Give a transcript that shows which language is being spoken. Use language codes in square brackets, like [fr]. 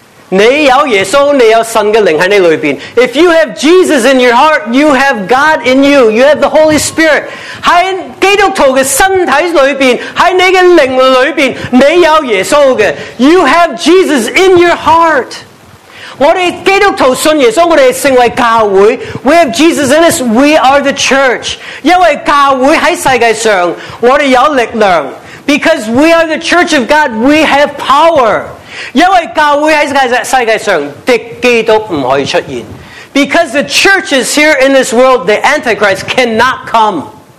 [zh] 你有耶稣，你有神的灵在你里面。 [en] If you have Jesus in your heart, you have God in you. You have the Holy Spirit. [zh] 在基督徒的身体里面，在你的灵里面，你有耶稣的。 [en] You have Jesus in your heart. [zh] 我们基督徒信耶稣，我们成为教会。 [en] We have Jesus in us. We are the church. [zh] 因为教会在世界上，我们有力量。 [en] Because we are the church of God, we have power. [zh] 因為教會在世界上，敵基督不可以出現。 [en] Because the church is here in this world, the Antichrist cannot come.